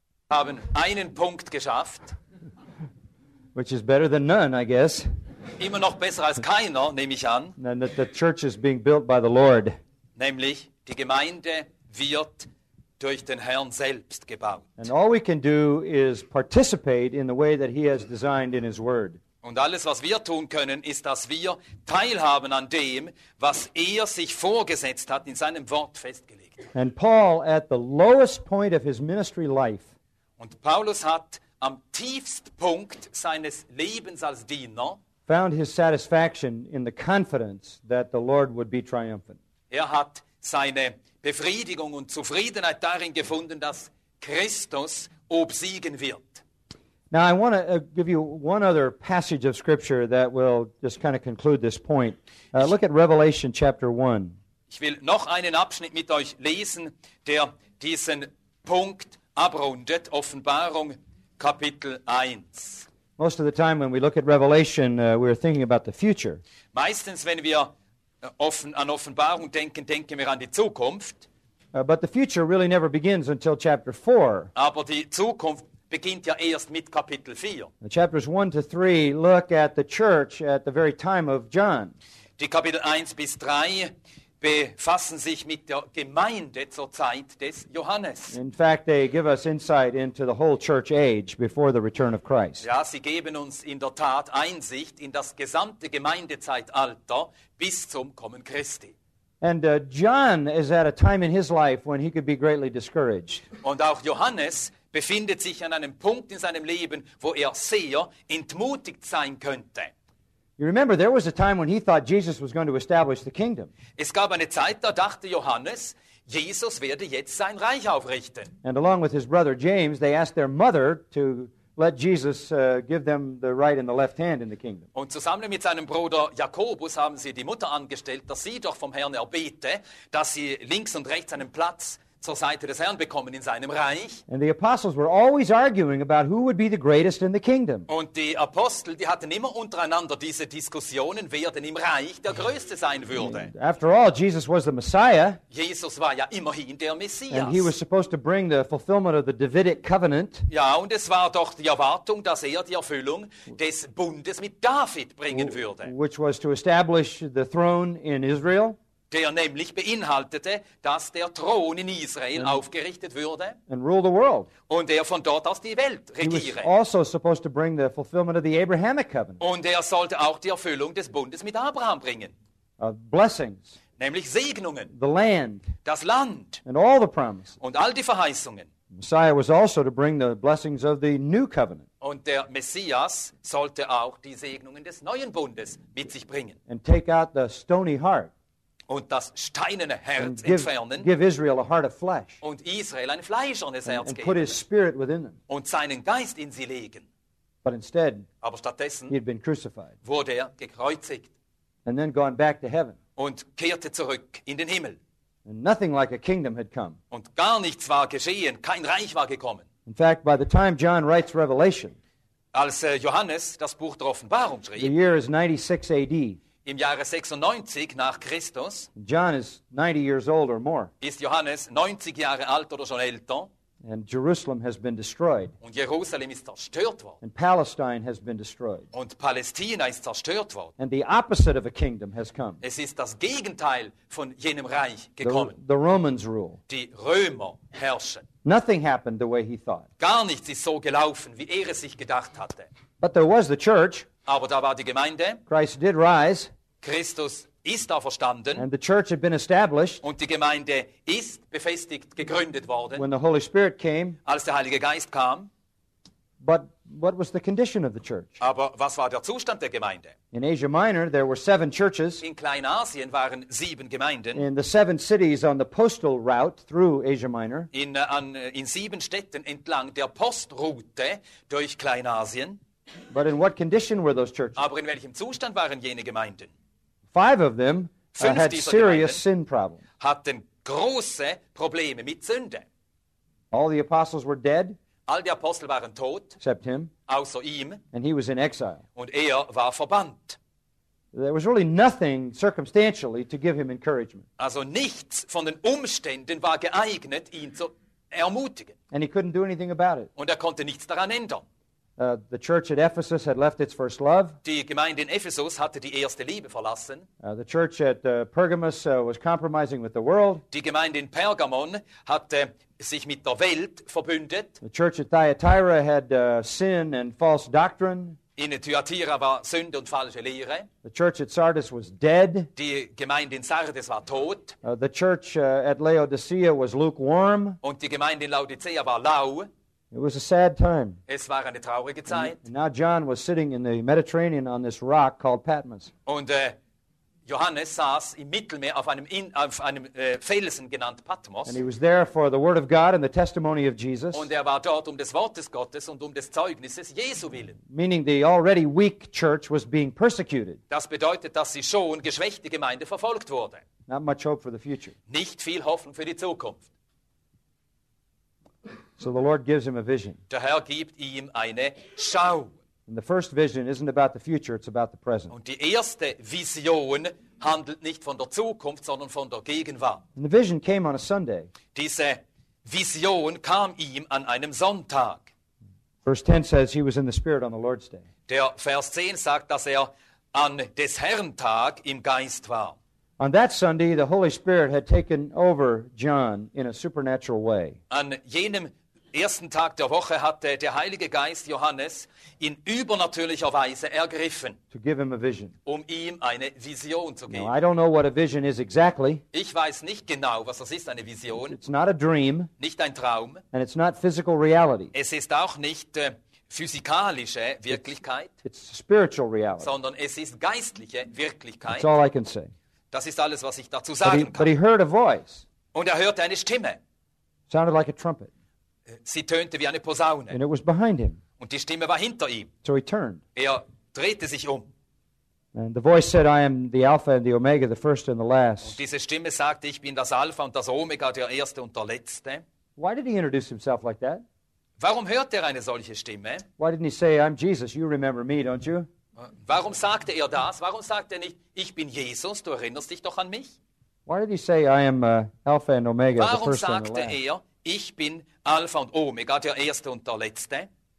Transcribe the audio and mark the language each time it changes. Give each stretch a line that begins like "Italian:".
German: haben einen Punkt geschafft.
English: Which is better than none, I guess.
German: Immer noch besser als keiner, nehme ich an.
English: And that the church is being built by the Lord.
German: Nämlich, die Gemeinde wird durch den Herrn selbst gebaut.
English: And all we can do is participate in the way that he has designed in his word.
German: Und alles, was wir tun können, ist, dass wir teilhaben an dem, was er sich vorgesetzt hat, in seinem Wort festgelegt.
English: And Paul, at the lowest point of his ministry life,
German: und Paulus hat am Tiefstpunkt seines Lebens als Diener
English: found his satisfaction in the confidence that the Lord would be triumphant.
German: Er hat seine Befriedigung und Zufriedenheit darin gefunden, dass Christus obsiegen wird.
English: Now I want to give you one other passage of scripture that will just kind of conclude this point. Look at Revelation chapter 1.
German: Ich will noch einen Abschnitt mit euch lesen, der diesen Punkt abrundet, Offenbarung Kapitel 1.
English: Most of the time when we look at Revelation, we're thinking about the future.
German: Meistens wenn wir an Offenbarung denken, denken wir an die Zukunft.
English: But the future really never begins until chapter 4.
German: Aber die Zukunft beginnt ja erst mit Kapitel 4.
English: The chapters 1 to 3 look at the church at the very time of John.
German: Die Kapitel 1 bis 3 befassen sich mit der Gemeinde zur Zeit des Johannes.
English: In fact, they give us insight into the whole church age before the return of Christ.
German: Ja, sie geben uns in der Tat Einsicht in das gesamte Gemeindezeitalter bis zum Kommen Christi.
English: And John is at a time in his life when he could be greatly discouraged.
German: Und auch Johannes befindet sich an einem Punkt in seinem Leben, wo er sehr entmutigt sein könnte.
English: You remember, there was a time when he thought Jesus was going to establish the kingdom.
German: Es gab eine Zeit, da dachte Johannes, Jesus werde jetzt sein Reich aufrichten.
English: And along with his brother James, they asked their mother to let Jesus give them the right and the left hand in the kingdom.
German: Und zusammen mit seinem Bruder Jakobus haben sie die Mutter angestellt, dass sie doch vom Herrn erbete, dass sie links und rechts einen Platz zur Seite des Herrn bekommen in seinem Reich.
English: And the apostles were always arguing about who would be the greatest in the kingdom.
German: Und die Apostel, die hatten immer untereinander diese Diskussionen, wer denn im Reich der Größte sein würde.
English: And after all, Jesus was the Messiah.
German: Jesus war ja immerhin der Messias.
English: And he was supposed to bring the fulfillment of the Davidic covenant.
German: Ja, und es war doch die Erwartung, dass er die Erfüllung des Bundes mit David bringen würde.
English: Which was to establish the throne in Israel.
German: Der nämlich beinhaltete, dass der Thron in Israel aufgerichtet würde
English: and rule the world.
German: Und er von dort aus die Welt regiere.
English: He was also supposed to bring the fulfillment of the Abrahamic covenant.
German: Und er sollte auch die Erfüllung des Bundes mit Abraham bringen.
English: Blessings.
German: Nämlich Segnungen.
English: The land.
German: Das Land.
English: And all the promises.
German: Und all die Verheißungen.
English: The Messiah was also to bring the blessings of the new covenant.
German: Und der Messias sollte auch die Segnungen des neuen Bundes mit sich bringen.
English: And take out the stony heart.
German: Und das steinerne Herz
English: and give,
German: entfernen.
English: Give Israel a heart of flesh.
German: Und Israel ein fleischernes Herz geben.
English: And put his spirit within them.
German: Und seinen Geist in sie legen.
English: But instead,
German: aber stattdessen
English: he'd been crucified.
German: Wurde er gekreuzigt.
English: And then gone back to heaven.
German: Und kehrte zurück in den Himmel.
English: And nothing like a kingdom had come.
German: Und gar nichts war geschehen, kein Reich war gekommen.
English: In fact, by the time John writes Revelation,
German: als Johannes das Buch der Offenbarung schrieb,
English: the year is 96 AD.
German: Im Jahre 96 nach Christus,
English: John is 90 years old or more.
German: Ist Johannes 90 Jahre alt oder schon älter.
English: And Jerusalem has been destroyed.
German: Und Jerusalem ist zerstört worden.
English: And Palestine has been destroyed.
German: Und Palästina ist zerstört worden.
English: And the opposite of a kingdom has come.
German: Es ist das Gegenteil von jenem Reich gekommen.
English: The Romans rule.
German: Die Römer herrschen.
English: Nothing happened the way he thought.
German: Gar nichts ist so gelaufen, wie er es sich gedacht hatte.
English: But there was the church.
German: Aber da war die Gemeinde.
English: Christ did rise.
German: Christus ist auferstanden.
English: And the church had been established.
German: Und die Gemeinde ist befestigt, gegründet worden.
English: When the Holy Spirit came.
German: Als der Heilige Geist kam.
English: But what was the condition of the church?
German: Aber was war der Zustand der Gemeinde?
English: In Asia Minor, there were seven churches.
German: In Kleinasien waren sieben Gemeinden.
English: In the seven cities on the postal route through Asia Minor.
German: In sieben Städten entlang der Postroute durch Kleinasien.
English: But in what condition were those churches?
German: Aber in welchem Zustand waren jene Gemeinden?
English: Five of them had serious sin problems.
German: Hatten große Probleme mit Sünde.
English: All the apostles were dead.
German: All die Apostel waren tot.
English: Except him.
German: Außer ihm.
English: And he was in exile.
German: Und er war verbannt.
English: There was really nothing circumstantially to give him encouragement.
German: Also nichts von den Umständen war geeignet, ihn zu ermutigen.
English: And he couldn't do anything about it.
German: Und konnte nichts daran ändern.
English: The church at Ephesus had left its first love.
German: Die Gemeinde in Ephesus hatte die erste Liebe verlassen.
English: The church at Pergamos was compromising with the world.
German: Die Gemeinde in Pergamon hatte sich mit der Welt verbündet.
English: The church at Thyatira had sin and false doctrine.
German: In Thyatira war Sünde und falsche Lehre.
English: The church at Sardis was dead.
German: Die Gemeinde in Sardis war tot.
English: The church at Laodicea was lukewarm.
German: Und die Gemeinde in Laodicea war lau.
English: It was a sad time.
German: Es war eine traurige Zeit.
English: And now John was sitting in the Mediterranean on this rock called Patmos.
German: Und Johannes saß im Mittelmeer auf einem Felsen genannt Patmos.
English: And he was there for the word of God and the testimony of Jesus.
German: Und war dort des Wortes Gottes und des Zeugnisses Jesu willen.
English: Meaning the already weak church was being persecuted.
German: Das bedeutet, dass die schon geschwächte Gemeinde verfolgt wurde.
English: Not much hope for the future.
German: Nicht viel Hoffnung für die Zukunft.
English: So the Lord gives him a vision.
German: Der Herr gibt ihm eine Schau.
English: And the first vision isn't about the future, it's about the present.
German: Und die erste Vision handelt nicht von der Zukunft, sondern von der Gegenwart.
English: And the vision came on a Sunday.
German: Diese Vision kam ihm an einem Sonntag.
English: Verse 10 says he was in the Spirit on the Lord's Day.
German: Der Vers 10 sagt, dass an des Herrn Tag im Geist war.
English: On that Sunday, the Holy Spirit had taken over John in a supernatural way.
German: An jenem ersten Tag der Woche hatte der Heilige Geist Johannes in übernatürlicher Weise ergriffen,
English: to give him a vision.
German: Um ihm eine Vision zu geben.
English: Now, I don't know what a vision is exactly.
German: Ich weiß nicht genau, was das ist, eine Vision.
English: It's not a dream.
German: Nicht ein Traum.
English: And it's not physical reality.
German: Es ist auch nicht physikalische Wirklichkeit.
English: It's spiritual reality.
German: Sondern es ist geistliche Wirklichkeit.
English: That's all I can say.
German: Das ist alles, was ich dazu sagen kann.
English: But he heard a voice.
German: Und hörte eine Stimme.
English: Sounded like a trumpet.
German: Sie tönte wie eine Posaune.
English: And it was behind him.
German: Und die Stimme war hinter ihm.
English: So he turned.
German: Drehte sich um.
English: And the voice said, I am the Alpha and the Omega, the first and the last.
German: Und diese Stimme sagte, ich bin das Alpha und das Omega, der Erste und der Letzte.
English: Why did he introduce himself like that?
German: Warum hört eine solche Stimme?
English: Why didn't he say, I'm Jesus, you remember me, don't you?
German: Warum sagte das? Warum sagte nicht, ich bin Jesus, du erinnerst dich doch an mich?
English: Why did he say, I am Alpha and Omega,
German: warum
English: the first
German: sagte
English: and the last?
German: Ich bin Alpha und Omega, der Erste und der Letzte.